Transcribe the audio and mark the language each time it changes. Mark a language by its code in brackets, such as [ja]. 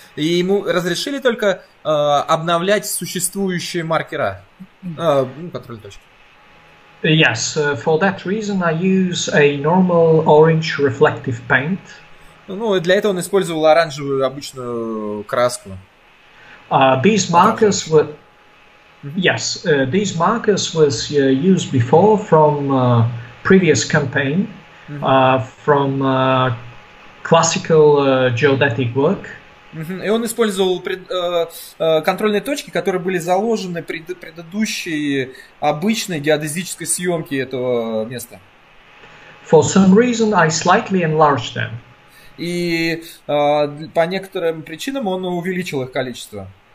[ru] И ему разрешили только обновлять существующие маркера, контрольные точки. [en] Yes, for that reason I use a normal orange reflective paint. [ru] Ну, для этого он использовал оранжевую обычную краску. [en] These markers were, yes, these markers was used before from previous campaign, from classical geodetic work. [ru] И он использовал контрольные точки, которые были заложены при предыдущей обычной геодезической съемке этого места. [en] For some reason, I slightly enlarged them. [ru] И по некоторым причинам он увеличил их количество.